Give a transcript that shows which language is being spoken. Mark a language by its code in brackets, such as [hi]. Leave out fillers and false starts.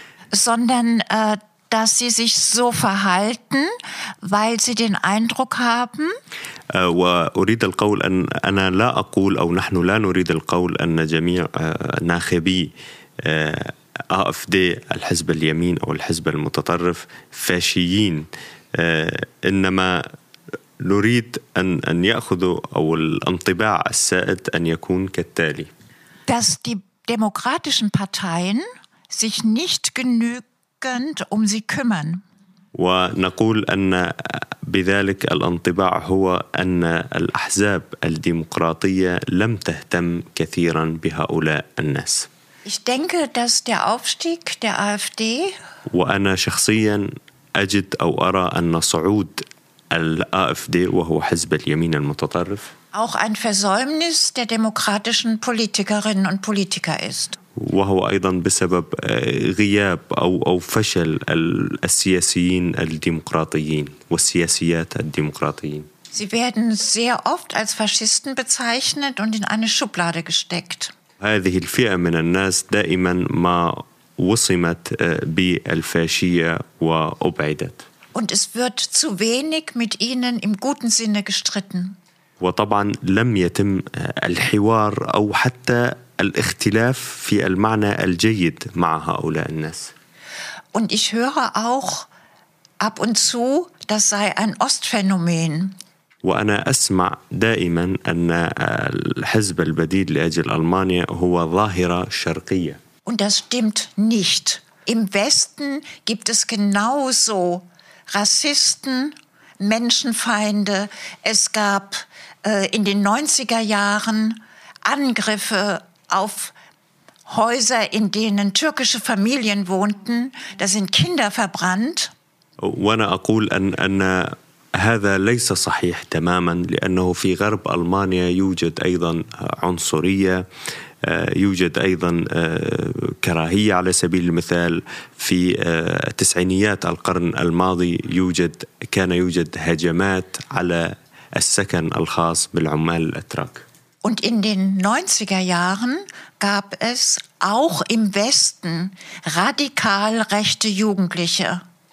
[de] sondern dass sie sich so verhalten, weil sie den Eindruck haben. [ar] وأريد القول أن أنا لا أقول أو نحن لا نريد القول أن جميع ناخبي AfD الحزب اليمين أو الحزب المتطرف فاشيين إنما نريد أن يأخذوا أو الانطباع السائد أن يكون كالتالي. [de] Dass die demokratischen Parteien sich nicht genügend um sie kümmern. [ar] ونقول أن بذلك الانطباع هو أن الأحزاب الديمقراطية لم تهتم كثيرا بهؤلاء الناس. [de] Ich denke, dass der Aufstieg der AfD [ar] وأنا شخصيا أجد أو أرى أن صعود الـ AfD وهو حزب اليمين المتطرف [de] auch ein Versäumnis der demokratischen Politikerinnen und Politiker ist. [ar] وهو أيضا بسبب غياب أو فشل السياسيين الديمقراطيين والسياسيات الديمقراطيين. [de] Sie werden sehr oft als Faschisten bezeichnet und in eine Schublade gesteckt. [ar] هذه الفئة من الناس دائما ما وصمت بالفاشية وأبعدت. [de] Und es wird zu wenig mit ihnen im guten Sinne gestritten. [ar] وطبعا لم يتم الحوار أو حتى الاختلاف في المعنى الجيد مع هؤلاء الناس. [de] Und ich höre auch ab und zu, das sei ein Ostphänomen. [ar] وأنا أسمع دائما أن الحزب البديل لأجل ألمانيا هو ظاهرة شرقية. [de] Und das stimmt nicht. Im Westen gibt es genauso Rassisten, Menschenfeinde. Es gab in den 90er Jahren Angriffe auf Häuser, in denen türkische Familien wohnten. Da sind Kinder verbrannt. [ar] وأنا أقول أن هذا ليس صحيح تماما لأنه في غرب ألمانيا يوجد أيضا عنصرية يوجد أيضا كراهية على سبيل المثال في التسعينيات القرن الماضي كان يوجد هجمات على السكن الخاص بالعمال الأتراك. [de] Und in den 90er Jahren gab es auch im Westen radikal rechte Jugendliche.